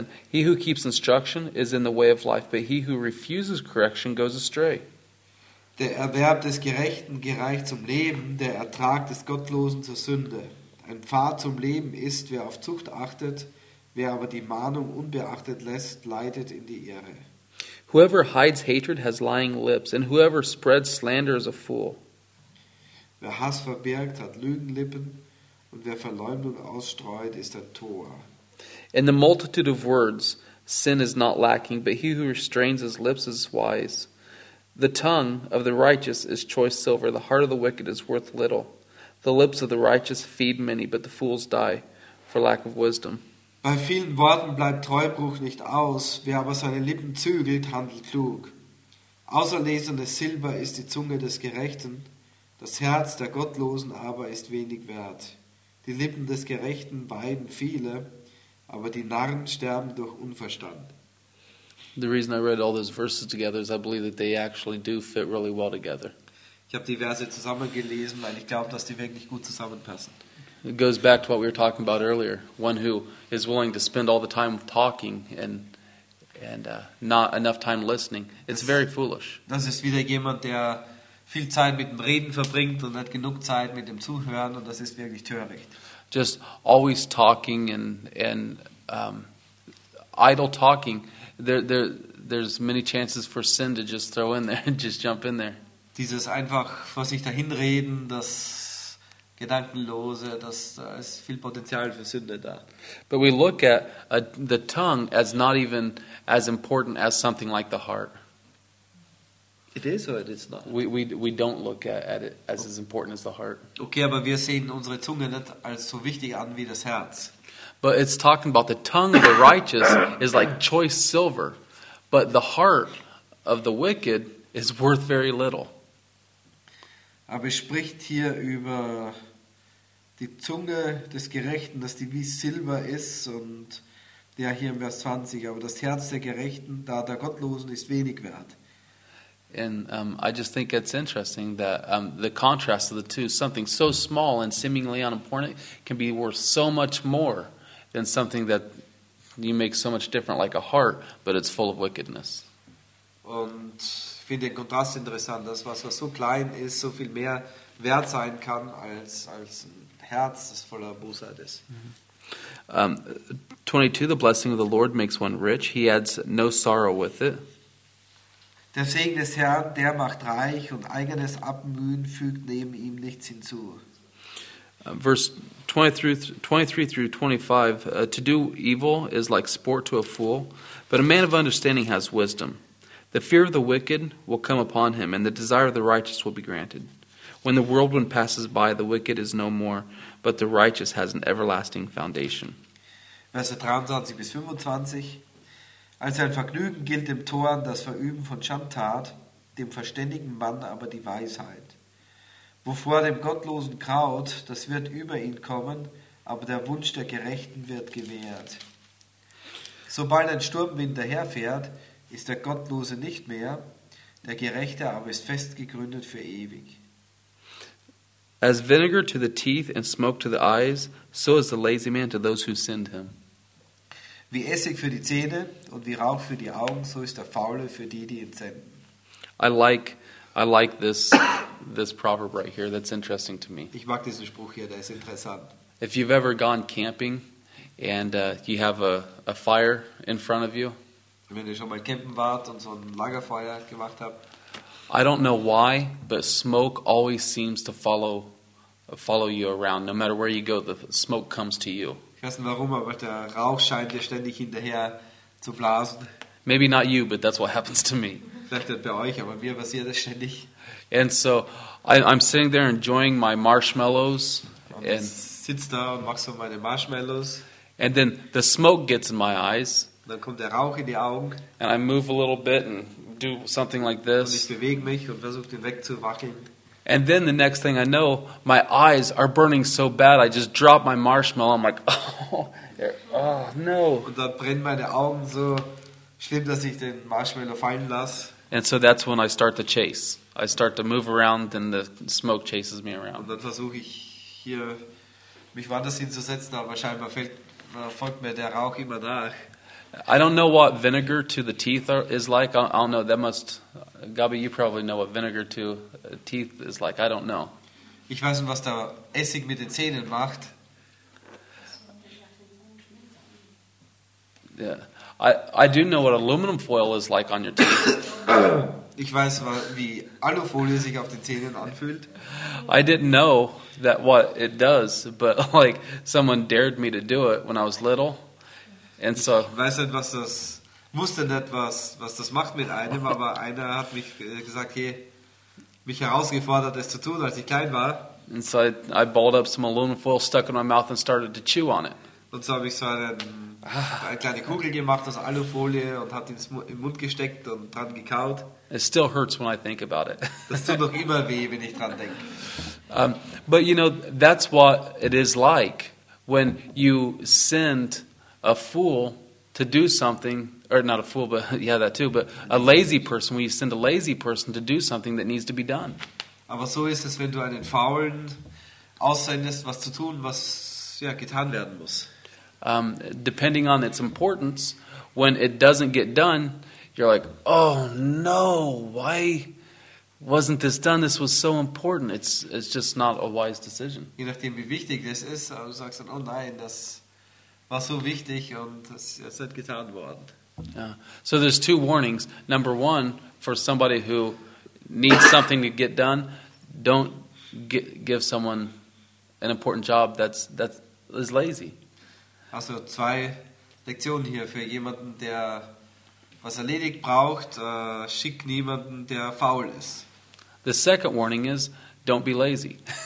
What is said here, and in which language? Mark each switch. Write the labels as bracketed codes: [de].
[en] He who keeps instruction is in the way of life, but he who refuses correction goes astray. [de] Der Erwerb des Gerechten gereicht zum Leben, der Ertrag des Gottlosen zur Sünde. Ein Pfad zum Leben ist, wer auf Zucht achtet, wer aber die Mahnung unbeachtet lässt, leitet in die Irre. [en] Whoever hides hatred has lying lips, and whoever spreads slander is a fool. [de] Wer Hass verbirgt, hat Lügenlippen, und wer Verleumdung ausstreut, ist ein Tor. [en] In the multitude of words, sin is not lacking, but he who restrains his lips is wise. The tongue of the righteous is choice silver, the heart of the wicked is worth little. The lips of the righteous feed many, but the fools die for lack of wisdom. [de] Bei vielen Worten bleibt Treubruch nicht aus, wer aber seine Lippen zügelt, handelt klug. Auserlesenes Silber ist die Zunge des Gerechten, das Herz der Gottlosen aber ist wenig wert. Die Lippen des Gerechten weiden viele, aber die Narren sterben durch Unverstand. [en] The reason I read all those verses together is I believe that they actually do fit really well together. [de] Ich habe die Verse zusammengelesen, weil ich glaube, dass die wirklich gut zusammenpassen. [en] It goes back to what we were talking about earlier. One who is willing to spend all the time talking and not enough time listening. It's very foolish. [de] Das ist wieder jemand, der viel Zeit mit dem Reden verbringt und hat genug Zeit mit dem Zuhören, und das ist wirklich töricht. [en] Just always talking and idle talking. There's many chances for sin to just throw in there and just jump in there. [de] Dieses einfach vor sich dahin reden, das Gedankenlose, da ist viel Potenzial für Sünde da. [en] But we look at the tongue as not even as important as something like the heart. It is or it is not? We don't look at it as as important as the heart. [de] Okay, aber wir sehen unsere Zunge nicht als so wichtig an wie das Herz. [en] But it's talking about the tongue of the righteous is like choice silver, but the heart of the wicked is worth very little. [de] Aber es spricht hier über die Zunge des Gerechten, dass die wie Silber ist, und ja, hier im Vers 20, aber das Herz der Gerechten, da der Gottlosen, ist wenig wert. [en] And I just think it's interesting that the contrast of the two, something so small and seemingly unimportant can be worth so much more than something that you make so much different, like a heart, but it's full of wickedness. [de] Und ich finde den Kontrast interessant, dass was so klein ist, so viel mehr wert sein kann als ein Herz, das voller Bosheit ist. Mm-hmm. [en] 22, the blessing of the Lord makes one rich. He adds no sorrow with it. [de] Der Segen des Herrn, der macht reich, und eigenes Abmühen fügt neben ihm nichts hinzu. [en] Verse 23 through 25, to do evil is like sport to a fool, but a man of understanding has wisdom. The fear of the wicked will come upon him, and the desire of the righteous will be granted. When the whirlwind passes by, the wicked is no more, but the righteous has an everlasting foundation. [de] Verse 23 bis 25. Als ein Vergnügen gilt dem Toren das Verüben von Schandtat, dem verständigen Mann aber die Weisheit. Wovor dem Gottlosen graut, das wird über ihn kommen, aber der Wunsch der Gerechten wird gewährt. Sobald ein Sturmwind daherfährt, ist der Gottlose nicht mehr, der Gerechte aber ist festgegründet für ewig. [en] As vinegar to the teeth and smoke to the eyes, so is the lazy man to those who send him. [de] Wie Essig für die Zähne und wie Rauch für die Augen, so ist der Faule für die, die ihn senden. [en] I like this proverb right here. That's interesting to me. [de] Ich mag diesen Spruch hier, der ist interessant. [en] If you've ever gone camping and you have a fire in front of you, [de] wenn ihr schon mal campen wart und so ein Lagerfeuer gemacht habt, [en] I don't know why, but smoke always seems to follow you around. No matter where you go, the smoke comes to you. [de] Ich weiß nicht warum, aber der Rauch scheint dir ständig hinterher zu blasen. [en] Maybe not you, but that's what happens to me. [de] Vielleicht nicht bei euch, aber mir passiert das ständig. [en] And so I'm sitting there enjoying my marshmallows. [de] Und ich sitze da und mache so meine Marshmallows. [en] And then the smoke gets in my eyes. [de] Und dann kommt der Rauch in die Augen. [en] And I move a little bit and do something like this. [de] Und ich bewege mich und versuche den wegzuwackeln. [en] And then the next thing I know, my eyes are burning so bad, I just drop my marshmallow. I'm like, oh no. [de] Und dann brennen meine Augen so schlimm, dass ich den Marshmallow fallen lasse. [en] And so that's when I start the chase. I start to move around and the smoke chases me around. [de] Und dann versuche ich hier, mich woanders hinzusetzen, aber scheinbar folgt mir der Rauch immer nach. [en] I don't know what vinegar to the teeth is like. I don't know. That must, Gabi, you probably know what vinegar to teeth is like. I don't know. [de] Ich weiß nicht, was der Essig mit den Zähnen macht. [en] Yeah, I do know what aluminum foil is like on your teeth. [de] Ich weiß, wie Alufolie sich auf den Zähnen anfühlt. [en] I didn't know that what it does, but like someone dared me to do it when I was little. And so, [de] ich weiß nicht, was das, wusste nicht, was das macht mit einem, aber einer hat mich gesagt, hey, mich herausgefordert, es zu tun, als ich klein war. [en] And so I balled up some aluminum foil, stuck in my mouth and started to chew on it. [de] Und so habe ich so eine kleine Kugel gemacht aus Alufolie und hat ihn im Mund gesteckt und dran gekaut. [en] It still hurts when I think about it. [de] Das tut noch immer weh, wenn ich dran denke. [en] But you know, that's what it is like when you send a fool to do something, or not a fool, but yeah, that too, but a lazy person, when you send a lazy person to do something that needs to be done. [de] Aber so ist es, wenn du einen Faulen aussendest, was zu tun, was ja getan werden muss. [en] Depending on its importance, when it doesn't get done, you're like, oh no, why wasn't this done? This was so important. It's just not a wise decision. [de] Je nachdem, wie wichtig das ist, du sagst dann, oh nein, das war so wichtig und es hat getan worden. [en] Yeah. So there's two warnings. Number one, for somebody who needs something to get done, don't give someone an important job that is lazy. [de] Also zwei Lektionen hier für jemanden, der was erledigt braucht, schick niemanden, der faul ist. [en] The second warning is, don't be lazy.